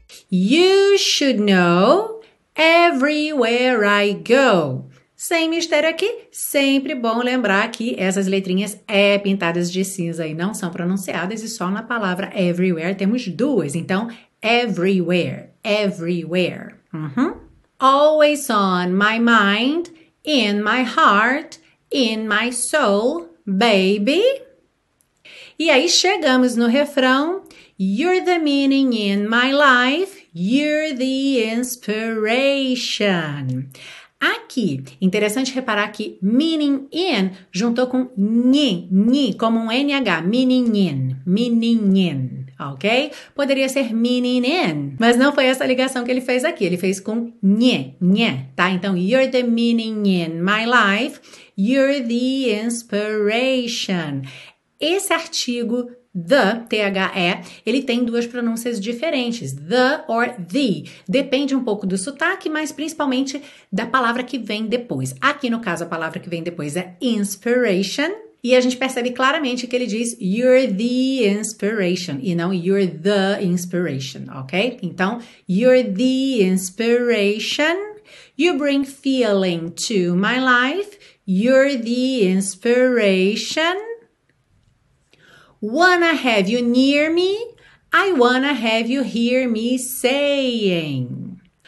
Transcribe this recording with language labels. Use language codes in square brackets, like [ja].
[en] You should know everywhere I go. [pt] Sem mistério aqui, sempre bom lembrar que essas letrinhas E pintadas de cinza e não são pronunciadas, e só na palavra everywhere temos duas. Então, everywhere, everywhere. Uhum. Always on my mind, in my heart, in my soul, baby. E aí chegamos no refrão. [en] You're the meaning in my life, you're the inspiration. [pt] Aqui, interessante reparar que meaning in juntou com ni, como um NH, meaning in, ok? Poderia ser meaning in, mas não foi essa ligação que ele fez aqui, ele fez com ni, tá? Então, [en] you're the meaning in my life, you're the inspiration. [pt] Esse artigo the, T-H-E, ele tem duas pronúncias diferentes, the or the. Depende um pouco do sotaque, mas principalmente da palavra que vem depois. Aqui, no caso, a palavra que vem depois é inspiration. E a gente percebe claramente que ele diz [en] you're the inspiration [pt] e não you're the inspiration, ok? [en] Então, you're the inspiration. You bring feeling to my life. You're the inspiration. Wanna have you near me? I wanna have you hear me saying.